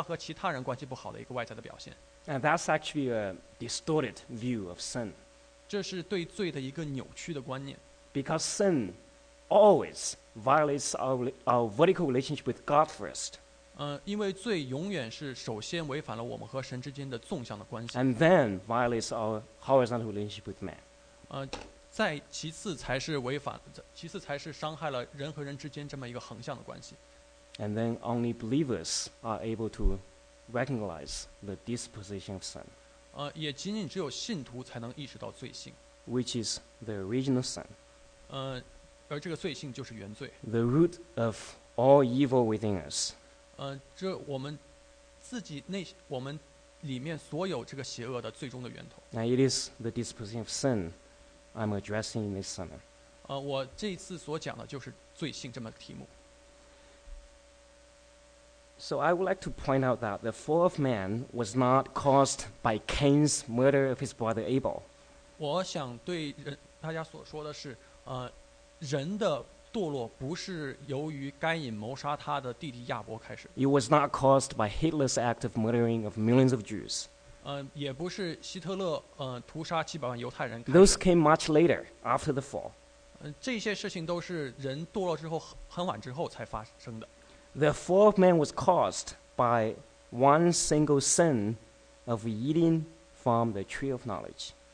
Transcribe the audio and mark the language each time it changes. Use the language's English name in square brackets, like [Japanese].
[Chinese] 对于一个不信的人来说，罪的外在的表现，仅仅他会认为这是他和他自己关系不太好，或者他和其他人关系不好的一个外在的表现。 [English] And that's actually a distorted view of sin. [Chinese] 这是对罪的一个扭曲的观念。 [English] Because sin always violates our vertical relationship with God first. [Chinese] 因为罪永远是首先违反了我们和神之间的纵向的关系。 [English] And then violates our horizontal relationship with man. [Chinese] 其次才是伤害了人和人之间这么一个横向的关系。 [English] And then only believers are able to recognize the disposition of sin. [Chinese] 也仅仅只有信徒才能意识到罪性。 [English] Which is the original sin. [Chinese] 而这个罪性就是原罪。 [English] The root of all evil within us. [Chinese] 这我们里面所有这个邪恶的最终的源头。 [English] Now it is the disposition of sin I'm addressing in this sermon. [Chinese] 我这一次所讲的就是罪性这么题目。 [English] So I would like to point out that the fall of man was not caused by Cain's murder of his brother Abel. [Chinese] 我想对大家所说的是, 人的堕落不是由于该隐谋杀他的弟弟亚伯开始。 [English] It was not caused by Hitler's act of murdering of millions of Jews. [Chinese] 也不是希特勒, 屠杀700万犹太人开始。 [English] Those came much later, after the fall. [Chinese] 这些事情都是人堕落之后很晚之后才发生的。 [English] The fall of man was caused by one single sin of eating from the tree of knowledge.